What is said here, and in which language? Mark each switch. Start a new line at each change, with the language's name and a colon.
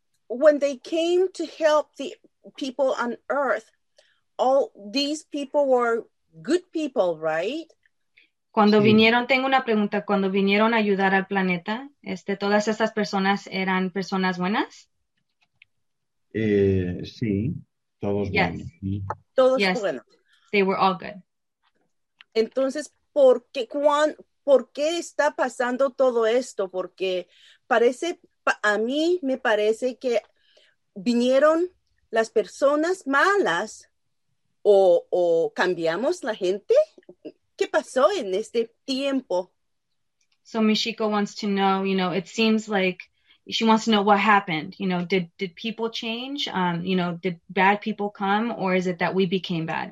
English: When they came to help the people on Earth, all these people were good people, right?
Spanish: Cuando vinieron, tengo una pregunta. Cuando vinieron a ayudar al planeta, todas estas personas eran personas buenas? Sí, todos buenos. Todos buenos.
English: They were all good.
Spanish: Entonces, ¿por qué está pasando todo esto? Porque parece, a mí me parece que vinieron las personas malas o cambiamos la gente. ¿Qué pasó en este tiempo?
English: So Michiko wants to know, you know, it seems like she wants to know what happened. You know, did people change? You know, did bad people come, or is it that we became bad?